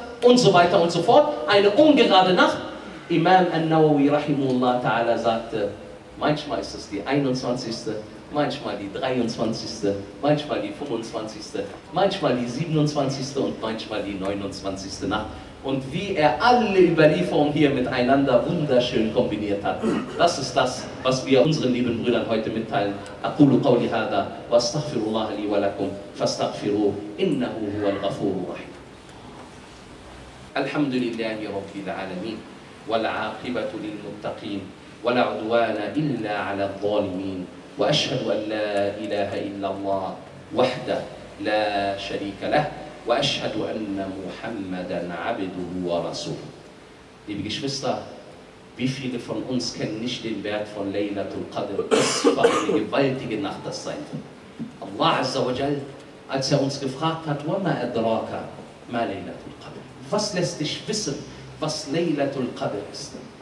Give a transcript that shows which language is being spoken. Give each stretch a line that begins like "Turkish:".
German: und so weiter und so fort, eine ungerade Nacht. Imam An-Nawawi rahimahullah ta'ala sagte, manchmal ist es die 21., manchmal die 23., manchmal die 25., manchmal die 27. und manchmal die 29. Nacht. Und wie er alle Überlieferungen hier miteinander wunderschön kombiniert hat. Das ist das, was wir unseren lieben Brüdern heute mitteilen.
Arabic: أقول قولي هذا واستغفر الله لي ولكم فاستغفروه إنه هو الغفور الرحيم. الحمد لله رب العالمين والعاقبة للمتقين ولا عدوان إلا على الظالمين وأشهد أن لا إله إلا الله وحده لا شريك له وأشهد أن محمدًا عبده ورسوله.
German: Liebe Geschwister, wie viele von uns kennen nicht den Wert von Laylatul Qadr? Was für eine gewaltige Nacht das sein wird. Allah Azza wa Jal, als er uns gefragt hat,
Arabic: وَمَا أَدْرَاكَ مَا لَيْلَةُ الْقَدْرِ.
German: Was lässt dich wissen, was Laylatul Qadr ist?